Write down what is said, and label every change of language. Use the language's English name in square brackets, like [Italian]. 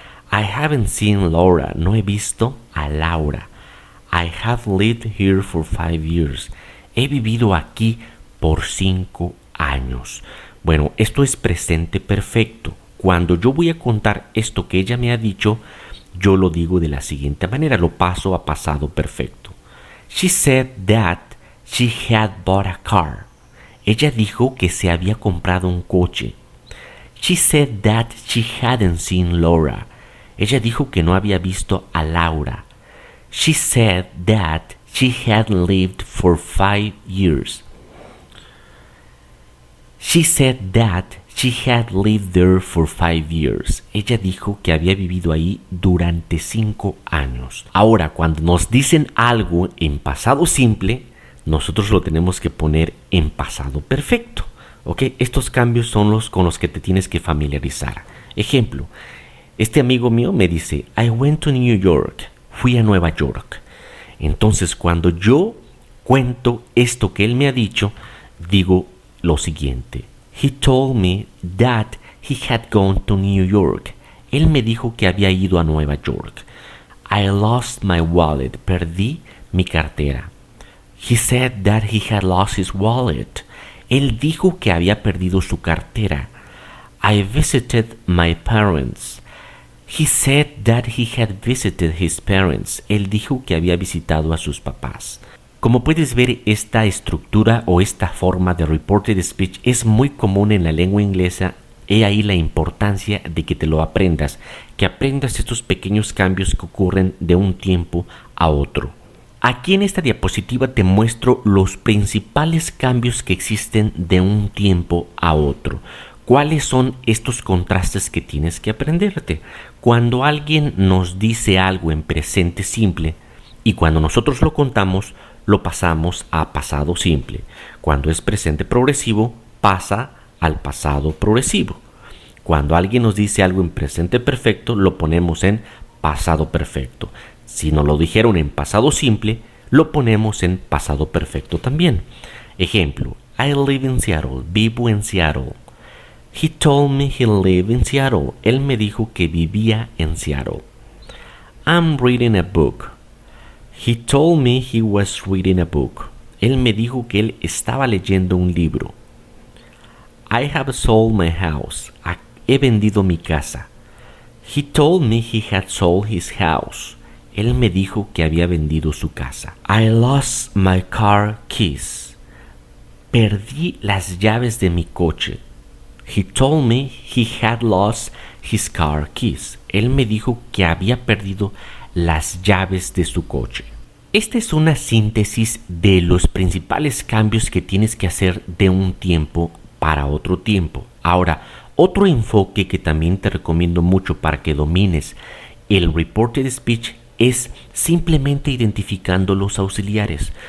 [English] I haven't seen Laura. [Spanish] No he visto a Laura. [English] I have lived here for 5 years. [Spanish] He vivido aquí por 5 años. Bueno, esto es presente perfecto. Cuando yo voy a contar esto que ella me ha dicho, yo lo digo de la siguiente manera. Lo paso a pasado perfecto. [English] She said that she had bought a car. [Spanish] Ella dijo que se había comprado un coche. [English] She said that she hadn't seen Laura. [Spanish] Ella dijo que no había visto a Laura. [English] She said that she had lived for 5 years. She said that she had lived there for 5 years. [Spanish] Ella dijo que había vivido ahí durante 5 años. Ahora, cuando nos dicen algo en pasado simple, nosotros lo tenemos que poner en pasado perfecto. ¿Ok? Estos cambios son los con los que te tienes que familiarizar. Ejemplo. Este amigo mío me dice, [English] I went to New York. [Spanish] Fui a Nueva York. Entonces, cuando yo cuento esto que él me ha dicho, digo lo siguiente. [English] He told me that he had gone to New York. [Spanish] Él me dijo que había ido a Nueva York. [English] I lost my wallet. [Spanish] Perdí mi cartera. [English] He said that he had lost his wallet. [Spanish] Él dijo que había perdido su cartera. [English] I visited my parents. He said that he had visited his parents. [Spanish] Él dijo que había visitado a sus papás. Como puedes ver, esta estructura o esta forma de reported speech es muy común en la lengua inglesa. He ahí la importancia de que te lo aprendas, que aprendas estos pequeños cambios que ocurren de un tiempo a otro. Aquí en esta diapositiva te muestro los principales cambios que existen de un tiempo a otro. ¿Cuáles son estos contrastes que tienes que aprenderte? Cuando alguien nos dice algo en presente simple y cuando nosotros lo contamos, lo pasamos a pasado simple. Cuando es presente progresivo, pasa al pasado progresivo. Cuando alguien nos dice algo en presente perfecto, lo ponemos en pasado perfecto. Si nos lo dijeron en pasado simple, lo ponemos en pasado perfecto también. Ejemplo, [English] I live in Seattle, [Spanish] vivo en Seattle. [English] He told me he lived in Seattle. [Spanish] Él me dijo que vivía en Seattle. [English] I'm reading a book. He told me he was reading a book. [Spanish] Él me dijo que él estaba leyendo un libro. [English] I have sold my house. [Spanish] He vendido mi casa. [English] He told me he had sold his house. [Spanish] Él me dijo que había vendido su casa. [English] I lost my car keys. [Spanish] Perdí las llaves de mi coche. [English] He told me he had lost his car keys. [Spanish] Él me dijo que había perdido las llaves de su coche. Esta es una síntesis de los principales cambios que tienes que hacer de un tiempo para otro tiempo. Ahora, otro enfoque que también te recomiendo mucho para que domines el reported speech es simplemente identificando los auxiliares.